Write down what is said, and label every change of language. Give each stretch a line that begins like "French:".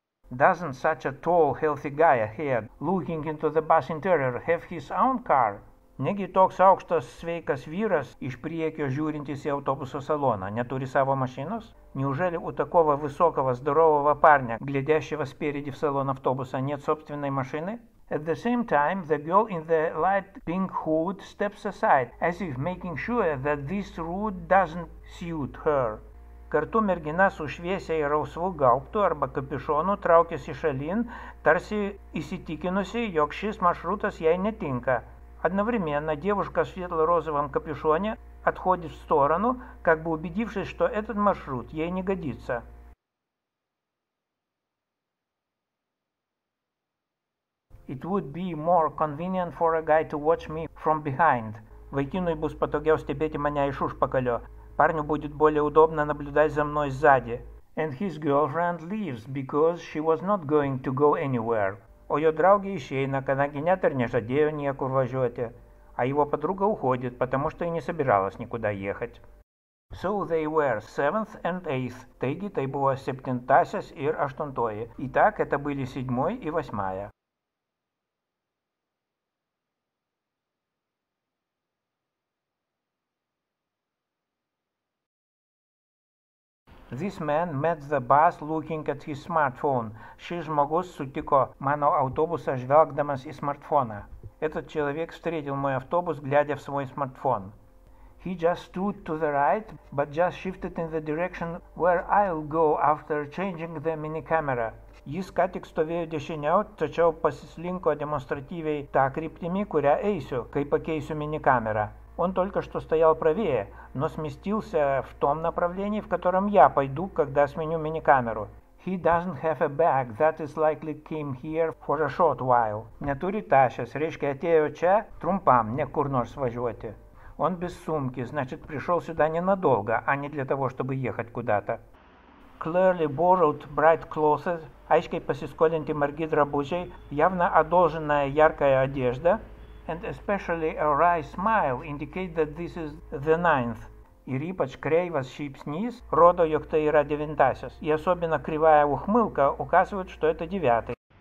English: Doesn't such a tall, healthy guy ahead, looking into the bus interior, have his own car?
Lithuanian: Negi toks aukštas sveikas vyras iš priekio žiūrintis į autobuso saloną neturi savo mašinos?
Russian: Неужели у такого высокого, здорового парня, глядящего спереди в салон автобуса, нет собственной машины?
English: At the same time, the girl in the light pink hood steps aside, as if making sure that this route doesn't suit her.
Lithuanian: Kartu mergina su šviesiai rausvu gaubtu arba kapišonu traukiasi šalin, tarsi įsitikinusi, jog šis maršrutas jai netinka.
Russian: Одновременно девушка в светло-розовом капюшоне отходит в сторону, как бы убедившись, что этот маршрут ей не годится.
English: It would be more convenient for a guy to watch me from behind.
Lithuanian: Vaikinui bus patogiau stebėti mane iš užpakalio.
Russian: Парню будет более удобно наблюдать за мной сзади.
English: And his girlfriend leaves because she was not going to go anywhere.
Lithuanian: O jo draugė išeina, kadangi net ir nežadėjo niekur važiuoti.
Russian: А его подруга уходит, потому что и не собиралась никуда ехать.
English: So they were 7th and 8th.
Lithuanian: Taigi, tai buvo 7-tasis ir 8-toji.
Russian: Итак, это были 7-й и 8-я.
English: This man met the bus looking at his smartphone.
Lithuanian: Šis žmogus sutiko mano autobusą žvelgdamas į smartfoną.
Russian: Этот человек встретил мой автобус, глядя в свой смартфон.
English: He just stood to the right, but just shifted in the direction where I'll go after changing the mini-camera.
Lithuanian: Jis ką tik stovėjo dešiniau, tačiau pasislinko demonstratyviai tą kryptimį, kurią eisiu, kai pakeisiu mini-камерą.
Russian: Он только что стоял правее, но сместился в том направлении, в котором я пойду, когда сменю мини-камеру.
English: He doesn't have a bag that is likely came here for a short while.
Lithuanian: Neturi tašės, reiškia atėjo čia trumpam, ne kur nors važiuoti.
Russian: Он без сумки, значит пришел сюда ненадолго, а не для того, чтобы ехать куда-то.
English: Clearly borrowed bright clothes,
Lithuanian: aiškiai pasiskolinti margi drabužiai,
Russian: явно одолженная яркая одежда.
English: And especially a wry smile indicate that this is the ninth.
Lithuanian: Ir ypač kreivas šypsnys rodo, jog tai yra devintasis.
Russian: И особенно кривая ухмылка указывает, что это девятый.